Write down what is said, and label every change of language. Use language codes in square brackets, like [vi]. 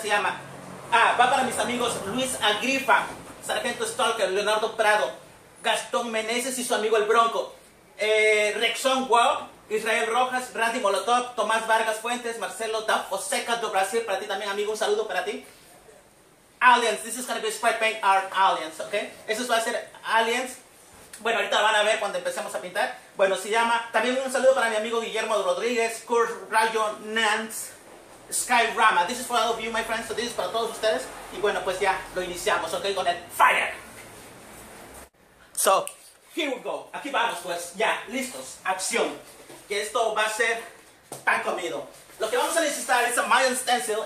[es] Se llama, va para mis amigos Luis Agrifa, Sargento Stalker, Leonardo Prado, Gastón Meneses y su amigo El Bronco, Rexon Wow, Israel Rojas, Randy Molotov, Tomás Vargas Fuentes, Marcelo Da Fonseca do Brasil, para ti también, amigo, un saludo para ti. [en] Aliens, this is going to be spray paint art aliens, ok? [es] Eso va a ser aliens. Bueno, ahorita lo van a ver cuando empecemos a pintar. Bueno, se llama, también un saludo para mi amigo Guillermo Rodríguez, Kurt Rayo Nance, Sky Rama. [en] This is for all of you, my friends, so this is [es] para todos ustedes. Y bueno, pues ya lo iniciamos, ok, con el fire. [en] So, here we go, [es] aquí vamos, pues, ya, listos, acción. Que esto va a ser pan comido. Lo que vamos a necesitar es un Mayan stencil.